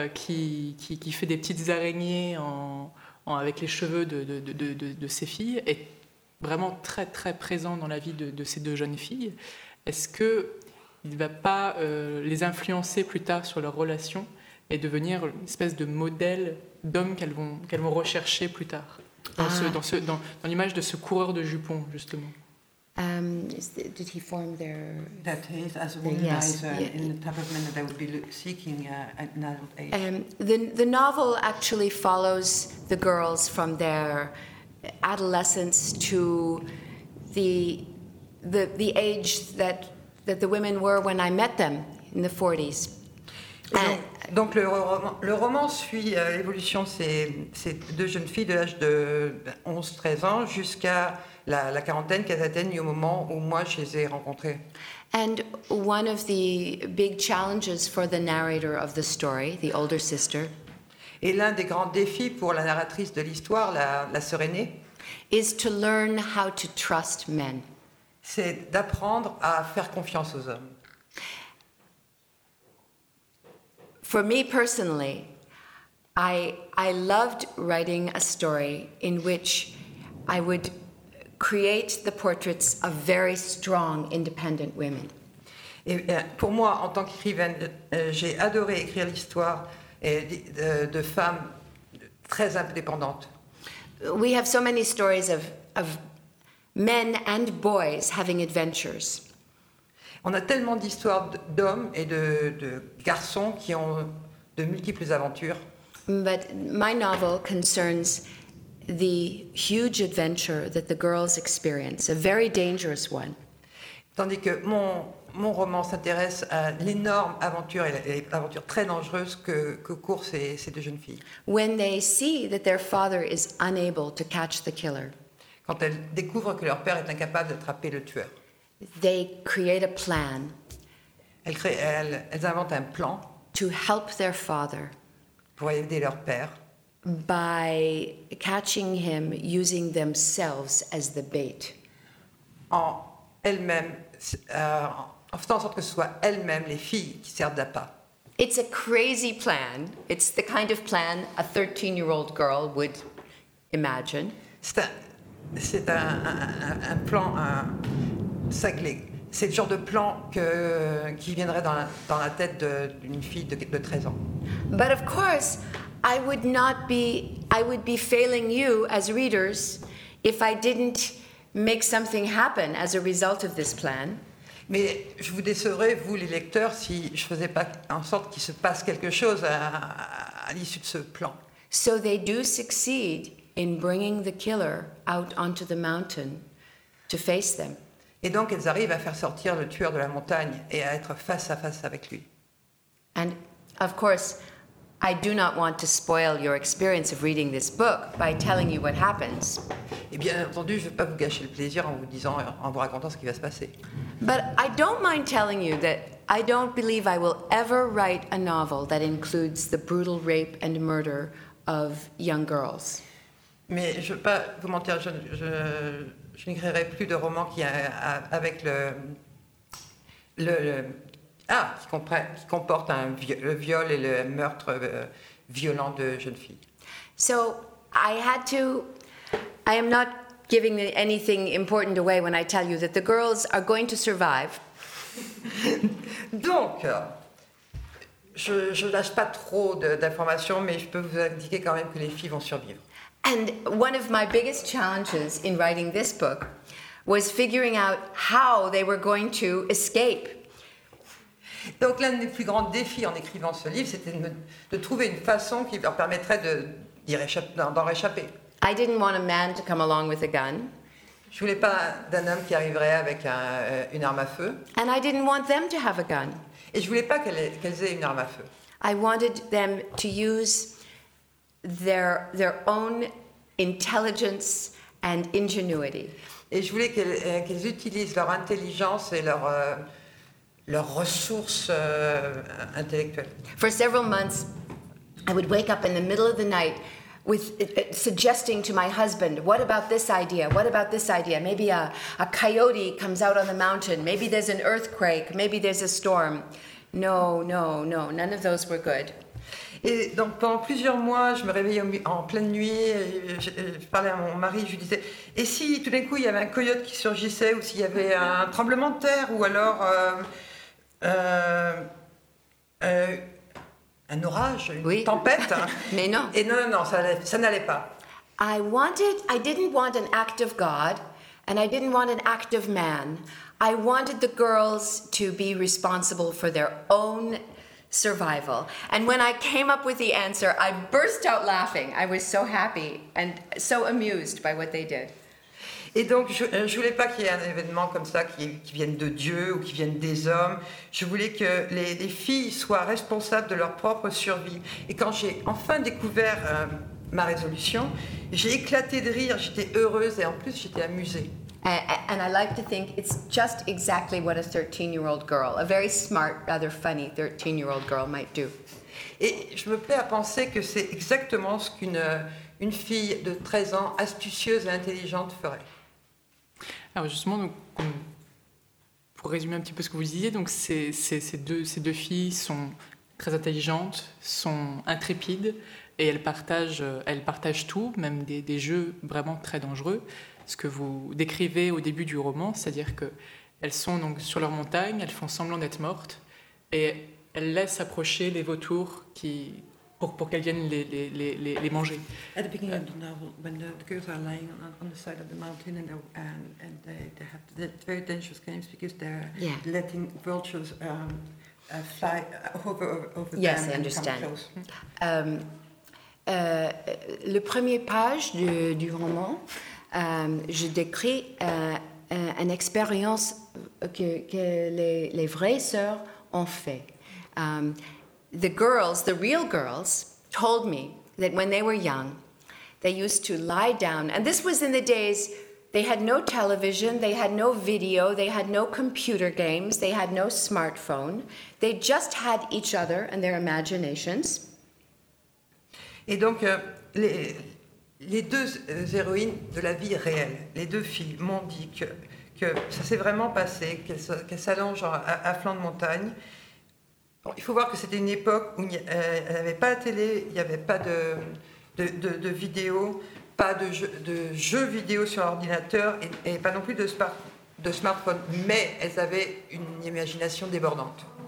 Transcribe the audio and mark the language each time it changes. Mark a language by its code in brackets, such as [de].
[fr] qui fait des petites araignées avec les cheveux de ses filles, est vraiment très très présent dans la vie de ces deux jeunes filles. Est-ce qu'il ne va pas les influencer plus tard sur leur relation et devenir une espèce de modèle d'homme qu'elles vont rechercher plus tard dans l'image de ce coureur de jupons, justement? [en] Did he form their... That is, as a womanizer, yes, in the type of men that they would be seeking at an adult age. The novel actually follows the girls from their adolescence to the age that the women were when I met them in the 40s. [fr] Donc le roman suit l'évolution de ces deux jeunes filles de l'âge de 11-13 ans jusqu'à la quarantaine qu'elles atteignent au moment où moi je les ai rencontrées. [en] And one of the big challenges for the narrator of the story, the older sister, [fr] et l'un des grands défis pour la narratrice de l'histoire, la sœur aînée, [en] is to learn how to trust men. [fr] C'est d'apprendre à faire confiance aux hommes. [en] For me personally, I loved writing a story in which I would create the portraits of very strong, independent women. [fr] Et pour moi, en tant qu'écrivaine, j'ai adoré écrire l'histoire de femmes très indépendantes. [en] We have so many stories of men and boys having adventures. [fr] On a tellement d'histoires d'hommes et de garçons qui ont de multiples aventures. [en] But my novel concerns the huge adventure that the girls experience, a very dangerous one. [fr] Tandis que mon roman s'intéresse à l'énorme aventure et l'aventure très dangereuse que courent ces deux jeunes filles. [en] When they see that their father is unable to catch the killer. [fr] Quand elles découvrent que leur père est incapable d'attraper le tueur. [en] They create a plan. [fr] Elles inventent un plan [en] to help their father. [fr] Pour aider leur père. [en] By catching him using themselves as the bait. [fr] En elles-mêmes, en faisant en sorte que ce soit elles-mêmes les filles qui servent d'appât. [en] It's a crazy plan. It's the kind of plan a 13-year-old girl would imagine. [fr] C'est un plan. C'est le genre de plan qui viendrait dans la tête d'une fille de 13 ans. [en] But of course, I would be failing you as readers if I didn't make something happen as a result of this plan. [fr] Mais je vous décevrais, vous, les lecteurs, si je ne faisais pas en sorte qu'il se passe quelque chose à l'issue de ce plan. [en] So they do succeed in bringing the killer out onto the mountain to face them. [fr] Et donc, elles arrivent à faire sortir le tueur de la montagne et à être face à face avec lui. [en] And of course, I do not want to spoil your experience of reading this book by telling you what happens. [fr] Et bien entendu, je ne veux pas vous gâcher le plaisir en vous disant, en vous racontant ce qui va se passer. [en] But I don't mind telling you that I don't believe I will ever write a novel that includes the brutal rape and murder of young girls. [fr] Mais je ne veux pas vous mentir, je n'écrirai plus de romans qui avec qui comporte un viol et le meurtre violent de jeunes filles. [en] So I had to. I am not giving anything important away when I tell you that the girls are going to survive. [fr] Donc, je lâche pas trop d'informations, mais je peux vous indiquer quand même que les filles vont survivre. [en] And one of my biggest challenges in writing this book was figuring out how they were going to escape. [fr] Donc l'un des plus grands défis en écrivant ce livre, c'était de trouver une façon qui leur permettrait d'en réchapper. [en] I didn't want a man to come along with a gun. [fr] Je voulais pas d'un homme qui arriverait avec une arme à feu. [en] And I didn't want them to have a gun. [fr] Et je voulais pas qu'elles aient une arme à feu. [en] I wanted them to use their own intelligence and ingenuity. [fr] Et je voulais qu'elles utilisent leur intelligence et leurs ressources intellectuelles. [en] For several months, I would wake up in the middle of the night with suggesting to my husband, what about this idea? What about this idea? Maybe a coyote comes out on the mountain. Maybe there's an earthquake. Maybe there's a storm. No. None of those were good. [fr] Et donc pendant plusieurs mois, je me réveillais en pleine nuit. Je parlais à mon mari. Je lui disais, et si tout d'un coup il y avait un coyote qui surgissait, ou s'il y avait un tremblement de terre, ou alors un orage, une oui. tempête. Mais non. Et non, ça n'allait pas. [en] I didn't want an act of God, and I didn't want an act of man. I wanted the girls to be responsible for their own survival. And when I came up with the answer, I burst out laughing. I was so happy and so amused by what they did. [fr] Et donc, je voulais pas qu'il y ait un événement comme ça qui vienne de Dieu ou qui vienne des hommes. Je voulais que les filles soient responsables de leur propre survie. Et quand j'ai enfin découvert ma résolution, j'ai éclaté de rire. J'étais heureuse et en plus, j'étais amusée. [en] And I like to think it's just exactly what a 13-year-old girl, a very smart, rather funny 13-year-old girl might do. [fr] Et je me plais à penser que c'est exactement ce qu'une fille de 13 ans, astucieuse et intelligente, ferait. Alors justement, donc, pour résumer un petit peu ce que vous disiez, donc ces deux filles sont très intelligentes, sont intrépides, et elles partagent tout, même des jeux vraiment très dangereux. Ce que vous décrivez au début du roman, c'est-à-dire qu'elles sont donc sur leur montagne, elles font semblant d'être mortes, et elles laissent approcher les vautours pour qu'elles viennent les manger. [en] At the beginning of the novel, when the girls are lying on the side of the mountain and they have the very dangerous games because they're yeah. letting vultures fly over yes, them I and understand. Come close. [fr] Le premier page du roman, je décris une expérience que les vraies sœurs ont fait. [en] The girls, the real girls, told me that when they were young, they used to lie down. And this was in the days they had no television, they had no video, they had no computer games, they had no smartphone. They just had each other and their imaginations. [fr] Et donc, les deux héroïnes de la vie réelle, les deux filles, m'ont dit que ça s'est vraiment passé, qu'elles s'allongent à flanc de montagne. Bon, il faut voir que c'était une époque où il n'y avait pas la télé, il n'y avait pas de vidéo, pas de jeux vidéo sur ordinateur et pas non plus de smartphone, mais elles avaient une imagination débordante.